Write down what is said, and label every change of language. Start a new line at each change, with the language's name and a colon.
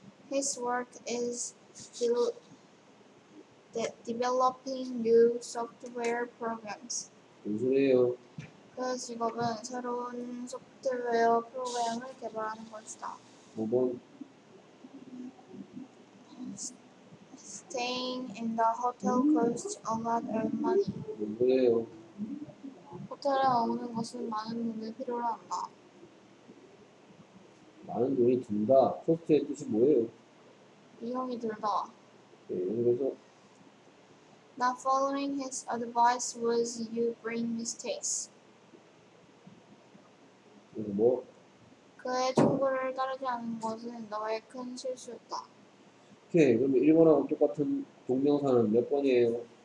English: His work is developing new software programs.
Korean: 뭔 소리예요? 그 직업은 새로운 소프트웨어 프로그램을 개발하는 것이다. 5번.
English: Staying in the hotel costs a lot of money.
Korean: 뭔 소리예요? 호텔에 머무는 것은 많은 돈이 필요로 한다. 많은 돈이 든다. 코스트의 뜻이 뭐예요? 비용이 들다. 네, 그래서
English: Not following his advice was you bring mistakes.
Korean: 그래서 뭐? 그의 충고를 따르지 않는 것은 너의 큰 실수였다. 오케이, 그럼 1번하고 똑같은 동명사는 몇 번이에요?